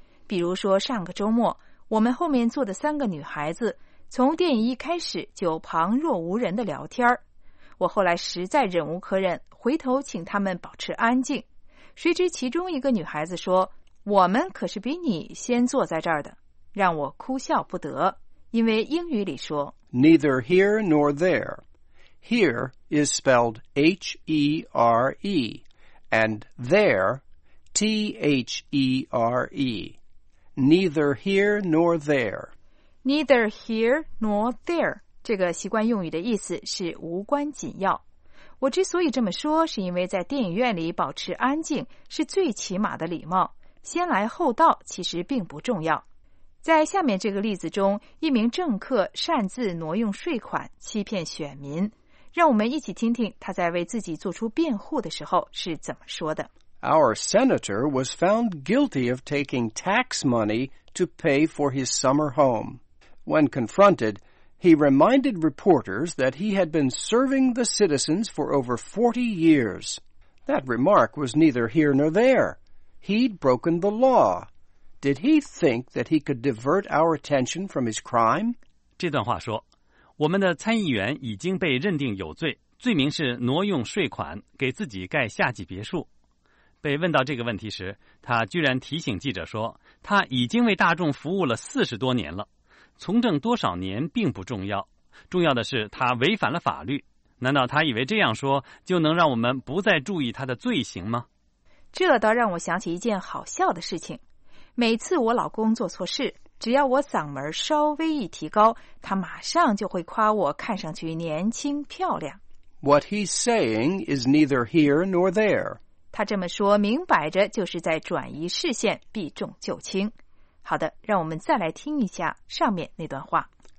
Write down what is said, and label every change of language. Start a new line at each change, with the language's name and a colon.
Chinese: 比如说上个周末，我们后面坐的三个女孩子，从电影一开始就旁若无人的聊天儿。我后来实在忍无可忍，回头请他们保持安静。谁知其中一个女孩子说，我们可是比你先坐在这儿的。让我哭笑不得，因为英语里说
English: Neither here nor there. Here is spelled H-E-R-E, and there, T-H-E-R-E. Neither here nor there. Neither here nor there.
Chinese: 这个习惯用语的意思是无关紧要。我之所以这么说，是因为在电影院里保持安静是最起码的礼貌，先来后到其实并不重要。在下面这个例子中，一名政客擅自挪用税款欺骗选民，让我们一起听听他在为自己做出辩护的时候是怎么说的。
English: Our senator was found guilty of taking tax money to pay for his summer home. When confronted, he reminded reporters that he had been serving the citizens for over 40 years. That remark was neither here nor there. He'd broken the law. Did he think that he could divert our attention from his crime?
Chinese: 这段话说，我们的参议员已经被认定有罪，罪名是挪用税款给自己盖夏季别墅。被问到这个问题时，他居然提醒记者说，他已经为大众服务了40多年了，从政多少年并不重要，重要的是他违反了法律。难道他以为这样说就能让我们不再注意他的罪行吗？这倒让我想起一件好笑的事情。每次我老公做错事，只要我嗓门稍微一提高，他马上就会夸我看上去年轻漂亮。
English: What he's saying is neither here nor there.
Chinese: 他这么说明摆着就是在转移视线，避重就轻。好的，让我们再来听一下上面那段话。